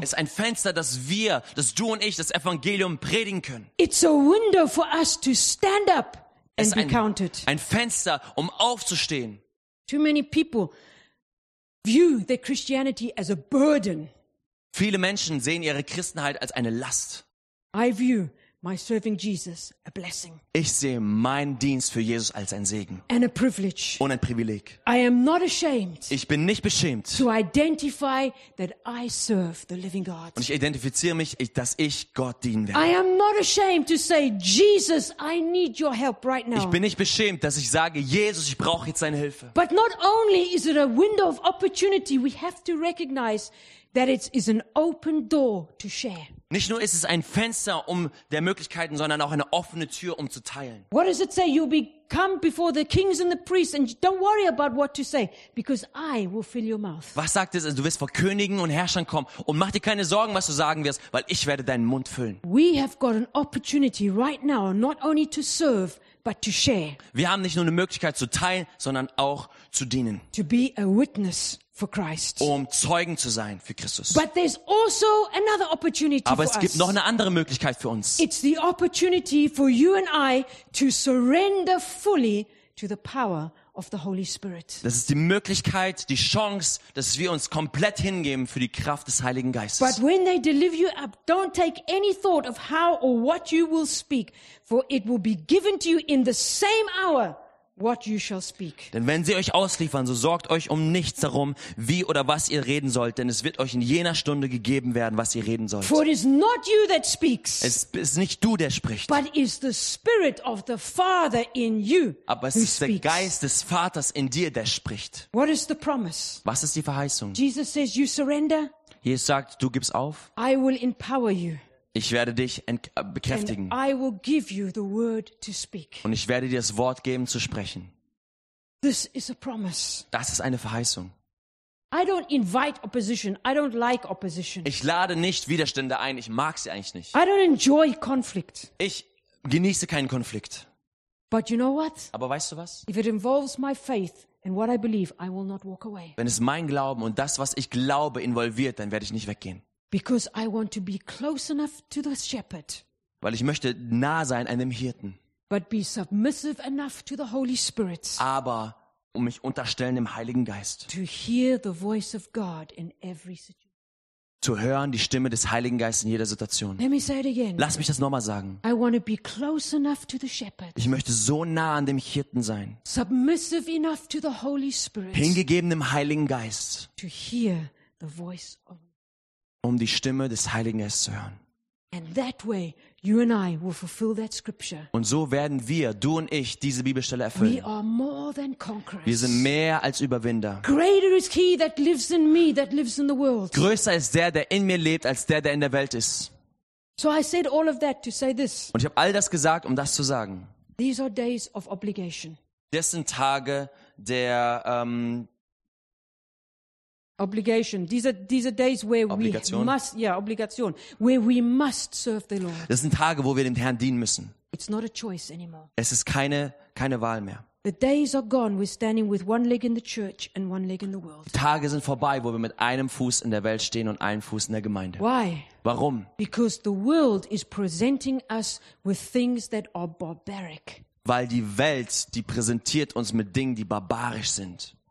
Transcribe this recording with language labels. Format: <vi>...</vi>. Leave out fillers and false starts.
<de>Es ist ein Fenster, dass wir, dass du und ich das Evangelium predigen können.</de> <en>It's a window for us to stand up and be counted.</en> <de>Es ist ein Fenster, um aufzustehen.</de> <en>Too many people view their Christianity as a burden.</en> <de>Viele Menschen sehen ihre Christenheit als eine Last.</de> <en>I view my serving Jesus a blessing.</en> <de>Ich sehe meinen Dienst für Jesus als ein Segen.</de> <en>And a privilege.</en> <de>Und ein Privileg.</de> <en>I am not ashamed.</en> <de>Ich bin nicht beschämt.</de> <en>To identify that I serve the living God.</en> <de>Und ich identifiziere mich, dass ich Gott dienen werde.</de> <en>I am not ashamed to say, "Jesus, I need your help right now."</en> <de>Ich bin nicht beschämt, dass ich sage, Jesus, ich brauche jetzt deine Hilfe.</de> <en>But not only is it a window of opportunity, we have to recognize that it is an open door to share.</en> <de>Nicht nur ist es ein Fenster um der Möglichkeiten, sondern auch eine offene Tür um zu teilen.</de> <en>What does it say? You'll be come before the kings and the priests, and don't worry about what to say, because I will fill your mouth.</en> <de>Was sagt es? Du wirst vor Königen und Herrschern kommen und mach dir keine Sorgen, was du sagen wirst, weil ich werde deinen Mund füllen.</de> <en>We have got an opportunity right now, not only to serve, but to share.</en> <de>Wir haben nicht nur eine Möglichkeit zu teilen, sondern auch zu dienen.</de> <en>To be a witness for Christ.</en> <de>Um Zeugen zu sein für Christus.</de> <en>But there's also another opportunity for us.</en> <de>Aber es gibt</de> <en>us.</en> <de>Noch eine andere Möglichkeit für uns.</de> <en>It's the opportunity for you and I to surrender fully to the power of the Holy Spirit.</en> <de>Das ist die Möglichkeit, die Chance, dass wir uns komplett hingeben für die Kraft des Heiligen Geistes.</de> <en>But when they deliver you up, don't take any thought of how or what you will speak, for it will be given to you in the same hour what you shall speak.</en> <de>Denn wenn sie euch ausliefern, so sorgt euch um nichts darum, wie oder was ihr reden sollt, denn es wird euch in jener Stunde gegeben werden, was ihr reden sollt.</de> <en>For it is not you that speaks.</en> <de>Es ist nicht du, der spricht.</de> <en>But is the Spirit of the Father in you.</en> <de>Aber es ist der Geist des Vaters in dir, der spricht.</de> <en>What is the promise?</en> <de>Was ist die Verheißung?</de> <en>Jesus says, "You surrender."</en> <de>Jesus sagt, du gibst auf.</de> <en>I will empower you.</en> <de>Ich werde dich bekräftigen.</de> <en>And I will give you the word to speak.</en> <de>Und ich werde dir das Wort geben zu sprechen.</de> <en>This is a promise.</en> <de>Das ist eine Verheißung.</de> <en>I don't invite opposition. I don't like opposition.</en> <de>Ich lade nicht Widerstände ein. Ich mag sie eigentlich nicht.</de> <en>I don't enjoy conflict.</en> <de>Ich genieße keinen Konflikt.</de> <en>But you know what?</en> <de>Aber weißt du was?</de> <en>If it involves my faith and what I believe, I will not walk away.</en> <de>Wenn es mein Glauben und das, was ich glaube, involviert, dann werde ich nicht weggehen.</de> <en>Because I want to be close enough to the shepherd.</en> <de>Weil ich möchte nah sein an dem Hirten.</de> <en>But be submissive enough to the Holy Spirit.</en> <de>Aber um mich unterstellen dem Heiligen Geist.</de> <en>To hear the voice of God in every situation.</en> <de>zu hören, die Stimme des Heiligen Geistes in jeder Situation.</de> <en>Let me say it again.</en> <de>Lass mich das nochmal sagen.</de> <en>I want to be close enough to the shepherd.</en> <de>Ich möchte so nah an dem Hirten sein.</de> <en>Submissive enough to the Holy Spirit.</en> <de>Hingegeben dem Heiligen Geist.</de> <en>To hear the voice of.</en> <de>Um die Stimme des Heiligen Geistes zu hören.</de> <en>And that way you and I will fulfill that scripture.</en> <de>Und so werden wir, du und ich, diese Bibelstelle erfüllen.</de> <en>We are more than conquerors.</en> <de>Wir sind mehr als Überwinder.</de> <en>Greater is he that lives in me that lives in the world.</en> <de>Größer ist der, der in mir lebt, als der, der in der Welt ist.</de> <en>So I said all of that to say this.</en> <de>Und ich habe all das gesagt, um das zu sagen.</de> <en>These are days of obligation.</en> <de>Das sind Tage der</de> <en>Obligation. These are days where</en> <de>Obligation.</de> <en>Obligation. Where we must serve the Lord.</en> <de>Das sind Tage, wo wir dem Herrn dienen müssen.</de> <en>It's not a choice anymore.</en> <de>Es ist keine Wahl mehr.</de> <en>The days are gone. We're standing with one leg in the church and one leg in the world.</en> <de>Die Tage sind vorbei, wo wir mit einem Fuß in der Welt stehen und einem Fuß in der Gemeinde.</de> <en>Why?</en> <de>Warum?</de> <en>Because the world is presenting us with things that are barbaric.</en> <de>Weil die Welt, die präsentiert uns mit Dingen, die barbarisch sind.</de>